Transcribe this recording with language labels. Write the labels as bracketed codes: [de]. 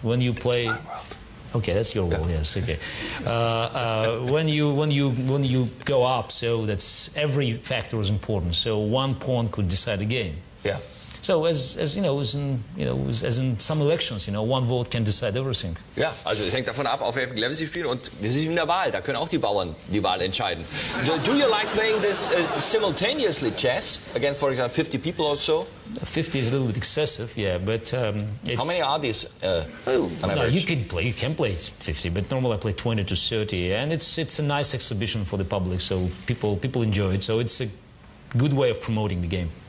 [en] When you play... Okay, that's your role. Yes. Okay. When you go up, so that's every factor is important. So one pawn could decide a game. Yeah. So as you know, as in some elections, you know, one vote can decide everything. Yeah. [de] Also, it hängt davon ab, auf welchem Level Sie spielen, und das ist in der Wahl. Da können auch die Bauern die Wahl entscheiden. [en] Do you like playing this simultaneously chess against, for example, 50 people or so? 50 is a little bit excessive, yeah, but it's... How many are these on average? No, you can play 50, but normally I play 20 to 30, and it's a nice exhibition for the public, so people enjoy it, so it's a good way of promoting the game.